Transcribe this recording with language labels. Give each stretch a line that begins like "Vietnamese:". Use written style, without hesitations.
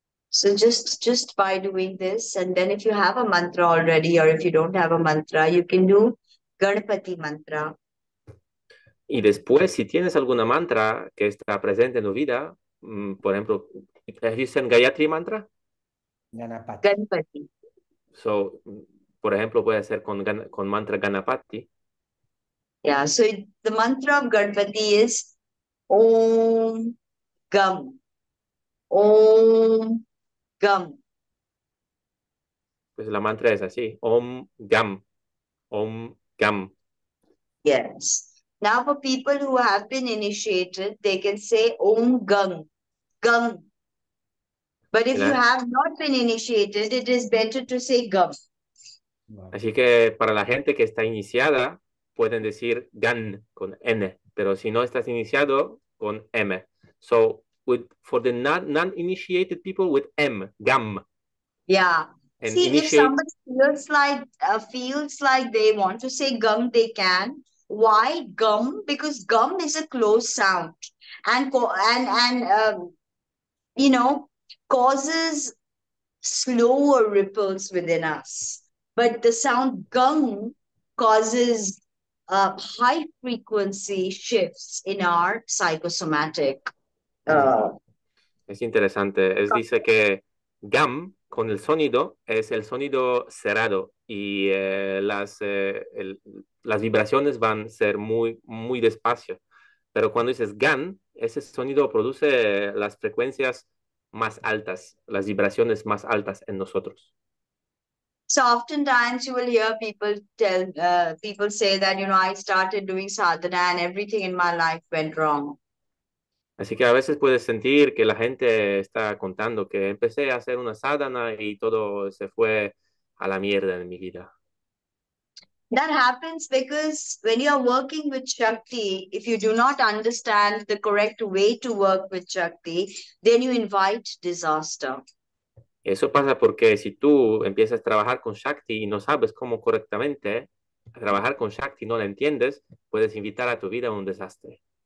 English: So just by doing this, and then if you have a mantra already, or if you don't have a mantra, you can do Ganpati mantra.
Spanish: Y después, si tienes alguna mantra que está presente en tu vida, por ejemplo,
English: ¿have you sent Gayatri mantra? Ganapati. Ganpati.
Spanish: So, por ejemplo, puede ser con mantra Ganapati.
English: Yeah, so the mantra of Ganpati is Om Gam. Om Gam.
Spanish: Pues la mantra es así, Om Gam. Om Gam.
English: Yes. Now for people who have been initiated, they can say Om Gam. Gam. But if you have not been initiated, it is better to say Gam.
Spanish: Así que para la gente que está iniciada, pueden decir Gan con N. Pero si no estás iniciado, con M.
English: So, for the non-initiated people, with M, Gam. Yeah. And see, initiate... if somebody feels like they want to say Gam, they can. Why Gam? Because Gam is a closed sound. And causes slower ripples within us. But the sound Gam causes high frequency shifts in our psychosomatic.
Spanish: Es interesante. Es dice que Gam con el sonido es el sonido cerrado y las vibraciones van a ser muy, muy despacio. Pero cuando dices Gan, ese sonido produce las frecuencias más altas, las vibraciones más altas en nosotros.
English: So oftentimes you will hear people tell people say that, you know, I started doing sadhana and everything in my life went wrong.
Spanish: Así que a veces puedes sentir que la gente está contando que empecé a hacer una sadhana y todo se fue a la mierda en mi vida.
English: That happens because when you are working with Shakti, if you do not understand the correct way to work with Shakti, then you invite disaster.
Spanish: Eso pasa porque si tú empiezas a trabajar con Shakti y no sabes cómo correctamente trabajar con Shakti, no la entiendes, puedes invitar a tu vida un desastre.